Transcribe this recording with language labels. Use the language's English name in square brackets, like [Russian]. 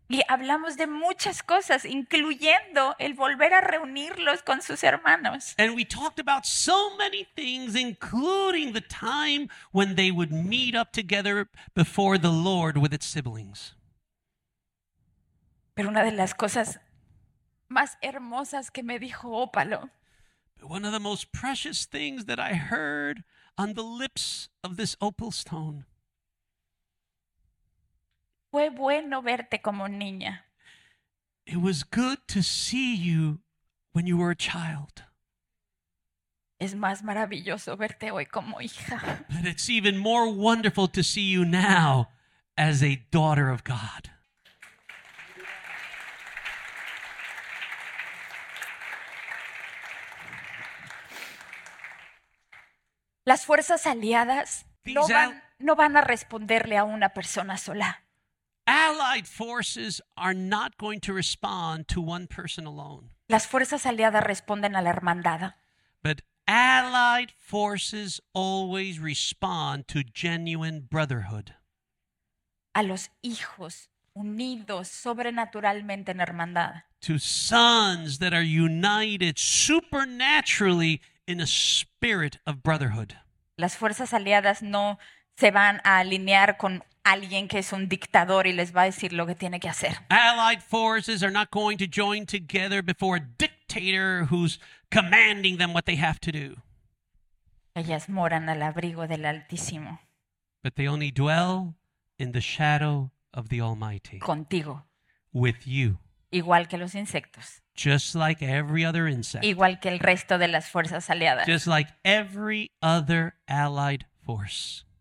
[Spanish] Y hablamos de muchas cosas, incluyendo el volver a reunirlos con sus hermanos. [English] And we talked about so many things, including the time when they would meet up together before the Lord with its siblings. [Spanish] Pero una de las cosas más hermosas que me dijo Ópalo. [English] But one of the most precious things that I heard on the lips of this opal stone. [Spanish] Fue bueno verte como niña. [English] It was good to see you when you were a child. [Spanish] Es más maravilloso verte hoy como hija. [English] But it's even more wonderful to see you now as a daughter of God. [Spanish] Las fuerzas aliadas no van a responderle a una persona sola. [English] Allied forces are not going to respond to one person alone. [Spanish] Las fuerzas aliadas responden a la hermandad. [English] But allied forces always respond to genuine brotherhood. [Spanish] A los hijos unidos sobrenaturalmente en hermandad. [English] To sons that are united supernaturally in a spirit of brotherhood. [Spanish] Las fuerzas aliadas no se van a alinear con alguien que es un dictador y les va a decir lo que tiene que hacer. [English] Allied forces are not going to join together before a dictator who's commanding them what they have to do. [Spanish] Ellas moran al abrigo del Altísimo. [English] But they only dwell in the shadow of the Almighty. [Spanish] Contigo. [English] With you. [Spanish] Igual que los insectos. [English] Just like every other insect. [Spanish] Igual que el resto de las fuerzas aliadas. [English] Just like every other allied force.